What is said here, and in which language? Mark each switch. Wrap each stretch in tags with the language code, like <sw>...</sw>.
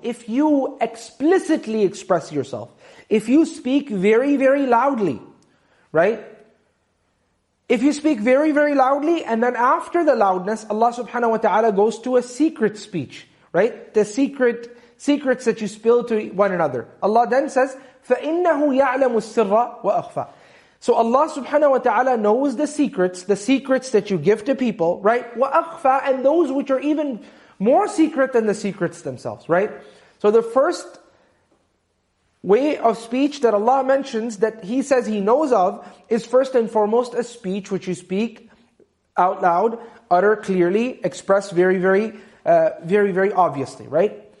<en>If you explicitly express yourself, if you speak very, very loudly, right? If you speak very, very loudly, and then after the loudness, Allah subhanahu wa ta'ala goes to a secret speech, right? The secrets that you spill to one another. Allah then says,</en> <ar>فَإِنَّهُ يَعْلَمُ السِّرَّ وَأَخْفَى.</ar> <en>So Allah subhanahu wa ta'ala knows the secrets that you give to people, right?</en> <ar>وَأَخْفَى,</ar> <en>and those which are even more secret than the secrets themselves, right? So the first way of speech that Allah mentions that He says He knows of is first and foremost a speech which you speak out loud, utter clearly, express very, very, very, very obviously, right?</en>